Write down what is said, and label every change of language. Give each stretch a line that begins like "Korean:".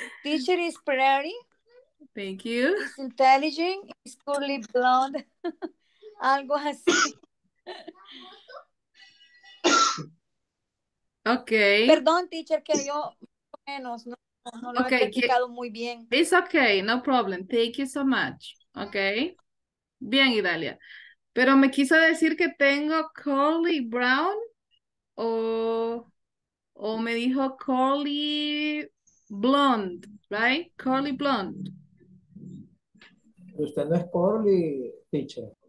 English: Teacher is pretty. Thank you. Is intelligent. Is curly blonde.
Spanish: Algo así.
English: Okay.
Spanish: Perdón, teacher, que yo menos no lo he explicado muy bien.
English: It's okay, no problem. Thank you so much. Okay.
Spanish: Bien, Idalia. Pero me quiso decir que tengo
English: curly brown
Spanish: o me dijo
English: curly blonde, right? Curly blonde.
Spanish: Usted no es curly, teacher.